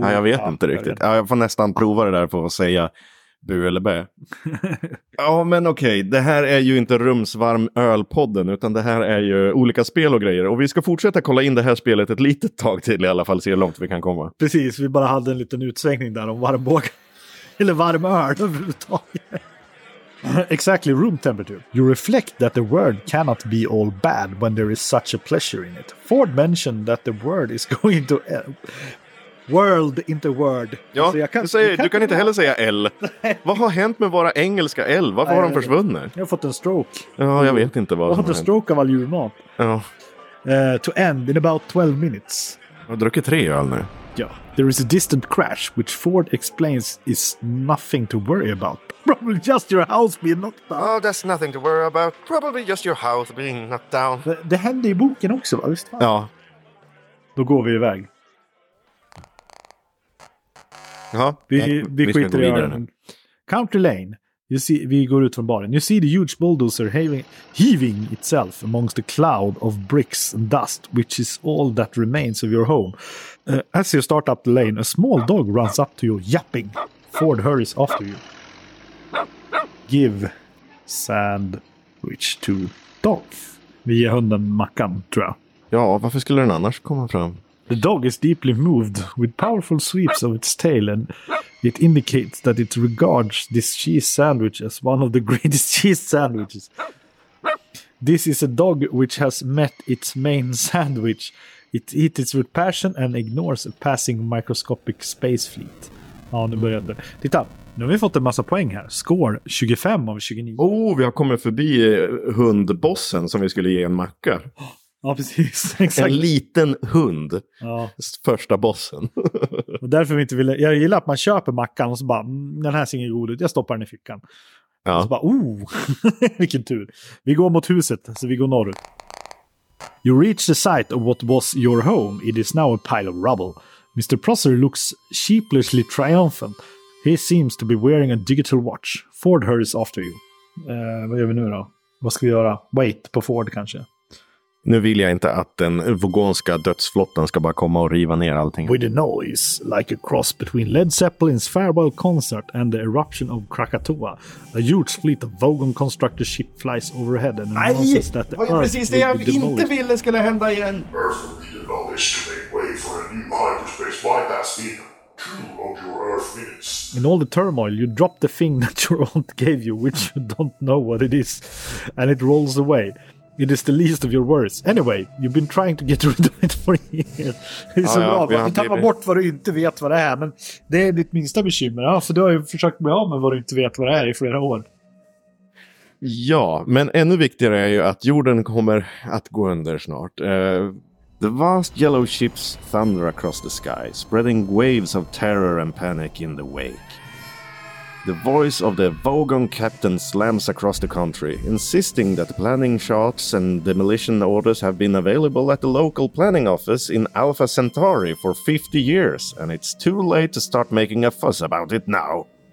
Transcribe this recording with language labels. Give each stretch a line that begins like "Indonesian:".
Swedish: nej, jag vet ja, inte riktigt. Ja, jag får nästan prova det där på att säga bu eller bä. Ja, men okej. Okay. Det här är ju inte rumsvarm ölpodden, utan det här är ju olika spel och grejer. Och vi ska fortsätta kolla in det här spelet ett litet tag till i alla fall, se hur långt vi kan komma. Precis, vi bara hade en liten utsvängning där om varmbåg. Eller varm öl överhuvudtaget.
English: Exactly room temperature. You reflect that the world cannot be all bad when there is such a pleasure in it. Ford mentioned that the world is going to world into word.
Swedish: Ja, alltså du kan inte heller säga L. Vad har hänt med våra engelska L? Varför har de försvunnit? Jag har fått en stroke. Ja, jag vet inte vad. Jag har fått en stroke av all julmat. Ja.
English: To end in about 12 minutes.
Swedish: Jag har druckit 3 öl nu. Ja.
English: There is a distant crash which Ford explains is nothing to worry about. Probably just your house being knocked down. Oh, that's nothing to worry about. Probably just your house being knocked down.
Swedish: Det hände i boken också, va? Visst? Ja. Då går vi iväg. Ja, vi skiter i öronen. Country Lane. Vi går ut från baren.
English: You see the huge bulldozer heaving itself amongst a cloud of bricks and dust, which is all that remains of your home. As you start up the lane, a small dog runs up to you, yapping. Ford hurries after you. Give sandwich to dog.
Swedish: Vi ger hunden mackan, tror jag. Ja, varför skulle den annars komma fram?
English: The dog is deeply moved with powerful sweeps of its tail, and it indicates that it regards this cheese sandwich as one of the greatest cheese sandwiches. This is a dog which has met its main sandwich. It eats it with passion and ignores a passing microscopic space fleet.
Swedish: Ja, nu börjar det. Titta, nu har vi fått en massa poäng här. Score 25 av 29. Oh, vi har kommit förbi hundbossen som vi skulle ge en macka. Ja, precis. Exakt. En liten hund. Ja. Första bossen. Och därför vi inte ville... Jag gillar att man köper mackan och så bara, den här ser ingen god ut, jag stoppar den i fickan. Ja. Och så bara, oh, vilken tur. Vi går mot huset, så vi går norrut.
English: You reach the site of what was your home. It is now a pile of rubble. Mr. Prosser looks sheepishly triumphant. He seems to be wearing a digital watch. Ford hurries after you.
Swedish: Vad gör vi nu då? Vad ska vi göra? Wait på Ford kanske. Nu vill jag inte att den vogonska dödsflottan ska bara komma och riva ner allting.
English: With a noise like a cross between Led Zeppelin's farewell concert and the eruption of Krakatoa, a huge fleet of Vogon constructor ship flies overhead and announces that the earth
Swedish: precis det jag inte ville skulle hända igen.
English: Earth will be demolished to make way for a new hyperspace bypass vehicle. Two of your earth minutes. In all the turmoil, you drop the thing that your aunt gave you, which you don't know what it is, and it rolls away. It is the least of your worries. Anyway, you've been trying to get rid of it for years.
Swedish: Det är så bra. Du tappar bort vad du inte vet vad det är. Men det är ditt minsta bekymmer. Ja, för du har ju försökt bli av med vad du inte vet vad det är i flera år. Ja, men ännu viktigare är ju att jorden kommer att gå under snart.
English: The vast yellow ships thunder across the sky, spreading waves of terror and panic in the wake. The voice of the Vogon captain slams across the country, insisting that planning charts and demolition orders have been available at the local planning office in Alpha Centauri for 50 years, and it's too late to start making a fuss about it now.